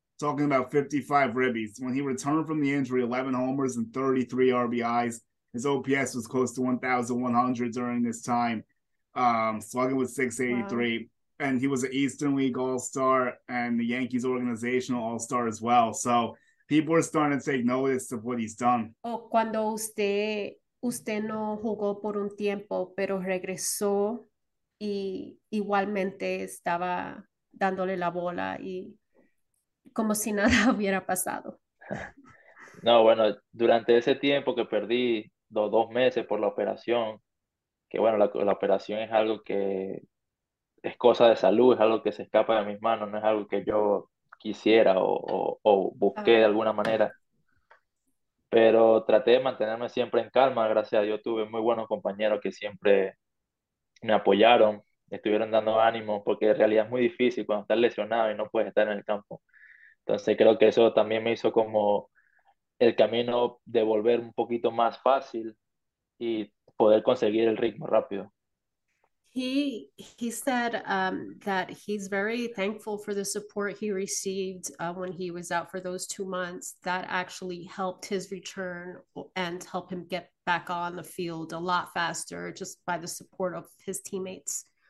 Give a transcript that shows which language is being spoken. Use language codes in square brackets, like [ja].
[en] Talking about 55 ribbies. When he returned from the injury, 11 homers and 33 RBIs. His OPS was close to 1,100 during this time, slugging with Wow. 683. And he was an Eastern League All-Star and the Yankees organizational All-Star as well. So people are starting to take notice of what he's done. [es] O cuando usted no jugó por un tiempo, pero regresó y igualmente estaba dándole la bola y como si nada hubiera pasado. No, bueno, durante ese tiempo que perdí 2 meses por la operación, que bueno, la operación es algo que es cosa de salud, es algo que se escapa de mis manos, no es algo que yo quisiera o busqué de alguna manera. Pero traté de mantenerme siempre en calma, gracias a Dios tuve muy buenos compañeros que siempre me apoyaron, estuvieron dando ánimo, porque en realidad es muy difícil cuando estás lesionado y no puedes estar en el campo. Entonces creo que eso también me hizo como el camino de volver un poquito más fácil y poder conseguir el ritmo rápido. [en] He said that he's very thankful for the support he received when he was out for those 2 months. That actually helped his return and help him get back on the field a lot faster, just by the support of his teammates.